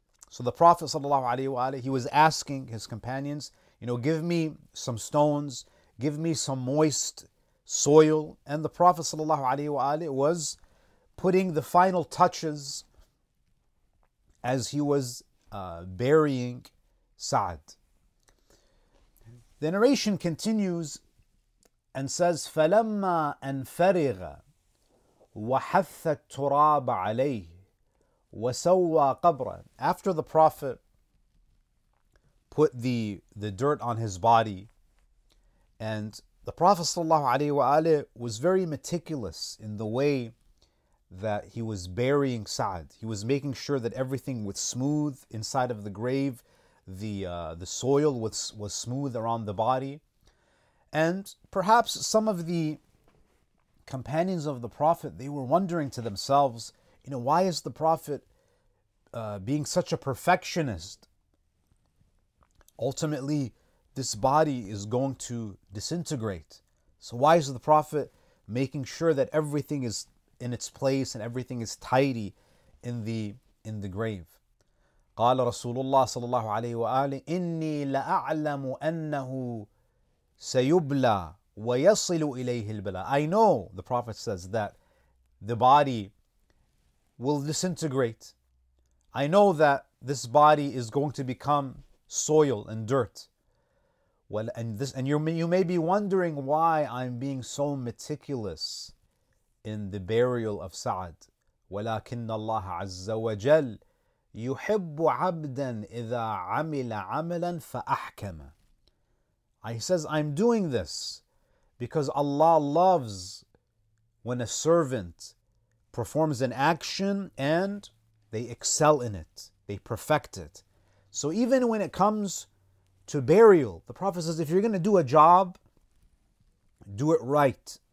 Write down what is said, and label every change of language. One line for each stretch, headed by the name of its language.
English: So the Prophet sallallahu alaihi wa alihi, he was asking his companions, you know, give me some stones, give me some moist soil. And the Prophet sallallahu alaihi wa alihi was putting the final touches as he was burying Sa'd. The narration continues and says,
Arabic: فَلَمَّا أَنْفَرِغَ وَحَثَّ التُّرَابَ عَلَيْهِ وَسَوَّى قَبْرًا.
English: After the Prophet put the dirt on his body, and the Prophet sallallahu alayhi wa alayhi was very meticulous in the way that he was burying Sa'd. He was making sure that everything was smooth inside of the grave, the soil was smooth around the body. And perhaps some of the companions of the Prophet, they were wondering to themselves, you know, why is the Prophet being such a perfectionist? Ultimately, this body is going to disintegrate. So why is the Prophet making sure that everything is in its place and everything is tidy in the grave?
Arabic: قال رسول الله صلى الله عليه وآله إني لأعلم أنه سيبلى ويصل إليه البلاء.
English: I know, the Prophet says, that the body will disintegrate. I know that this body is going to become soil and dirt. Well, and you may be wondering why I'm being so meticulous in the burial of Sa'd.
Arabic: ولكن الله عز وجل يحب عبدا إذا عمل عملا فأحكم.
English: He says, I'm doing this because Allah loves when a servant performs an action and they excel in it, they perfect it. So even when it comes to burial, the Prophet says, if you're going to do a job, do it right.